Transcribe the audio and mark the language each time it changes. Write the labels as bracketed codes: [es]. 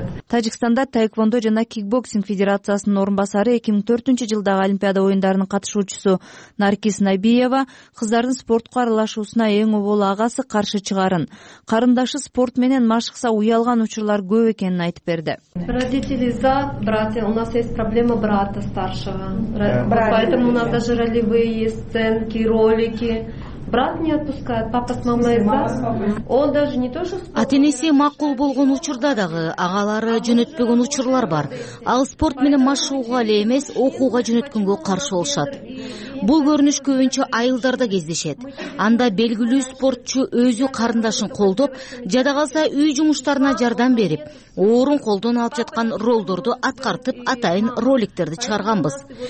[ky] Тажикстанда тайквондо жана кикбоксинг федерациясынын орун басары 2004-жылдагы олимпиада оюндарынын катышуучусу Наркис Набиева кыздардын спортко аралашуусуна эң оболу агасы каршы чыгарын, карындашы спорт менен машыкса уялган учурлар көп экенин айтып берди. [ru] Родители за, братья, у нас есть проблема брата старшего. Поэтому у нас даже ролевые сценки, ролики. Брат не отпускает, папа с мамой за. Он даже не то, что спорт. [ky] Атенеси макул болгон учурда дагы агалары жөнөтпөгөн учурлар бар. Ал спорт менен машыгууга эле эмес, окууга жөнөткөнгө каршы болушат. Бул көрүнүш көбүнчө айылдарда кездешет. Анда белгилүү спортчу өзү карындашын колдоп, жада калса үй жумуштарына жардам берип, орун колдон алып жаткан ролдорду аткартып, атайын роликтерди чыгарганбыз.